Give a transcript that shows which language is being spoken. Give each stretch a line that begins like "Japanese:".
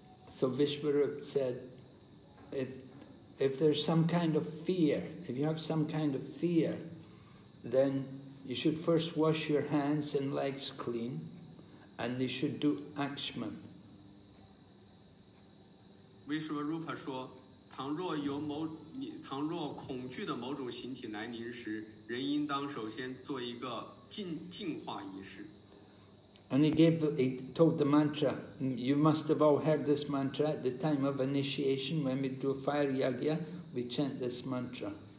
English: So Vishwarup said, if, if there's some kind of fear, if you have some kind of fear, then you should first wash your hands and legs clean, and you should do akshman.
Chinese: 维什瓦如帕说, 倘若恐惧的某种形体来临时, 人应当首先做一个净化仪式。
English: And he told the mantra, you must have all heard this mantra at the time of initiation when we do fire yagya, we chant this mantra.